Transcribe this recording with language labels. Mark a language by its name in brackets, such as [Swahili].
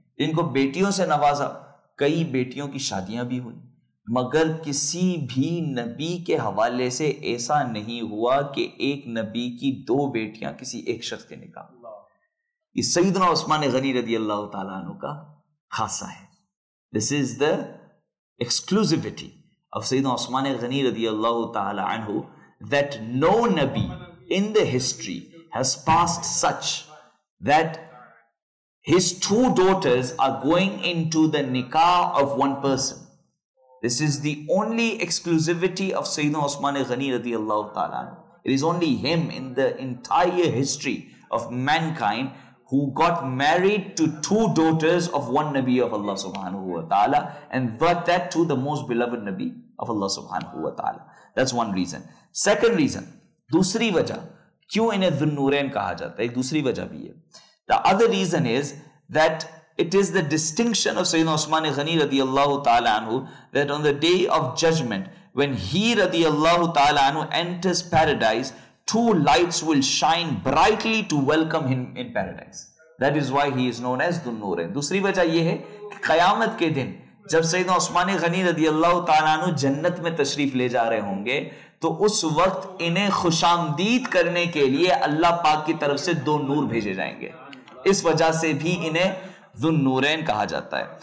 [Urdu] جن کو بیٹیوں سے نوازا, کئی بیٹیوں کی شادیاں بھی ہوئیں. مگر کسی بھی نبی کے حوالے سے ایسا نہیں ہوا کہ ایک نبی کی دو بیٹیاں کسی ایک شخص کے نکاح. یہ سیدنا عثمان غنی رضی اللہ تعالیٰ عنہ کا خاصہ ہے. [English] This is the exclusivity of سیدنا Uthman Ghani رضی اللہ تعالیٰ عنہ that no نبی in the history has passed such that his two daughters are going into the nikah of one person. This is the only exclusivity of Sayyidina Uthman al-Ghani radiyallahu ta'ala. It is only him in the entire history of mankind who got married to two daughters of one Nabi of Allah subhanahu wa ta'ala, and that to the most beloved Nabi of Allah subhanahu wa ta'ala. That's one reason. Second reason, [Urdu] دوسری وجہ کیوں انہیں ذوالنورین کہا جاتا ہے, دوسری وجہ بھی ہے. [English] The other reason is that it is the distinction of Sayyidina Uthman al-Ghani radiyallahu ta'ala anhu that on the day of judgment, when he radiyallahu ta'ala anhu enters paradise, two lights will shine brightly to welcome him in paradise. That is why he is known as ذوالنورین. [Urdu] دوسری وجہ یہ ہے کہ قیامت کے دن جب سیدنا عثمان غنی رضی اللہ تعالیٰ عنہ جنت میں تشریف لے جا رہے ہوں گے تو اس وقت انہیں خوش آمدید کرنے کے لیے اللہ پاک کی طرف سے دو نور بھیجے جائیں گے, اس وجہ سے بھی انہیں ذو النورین کہا جاتا ہے.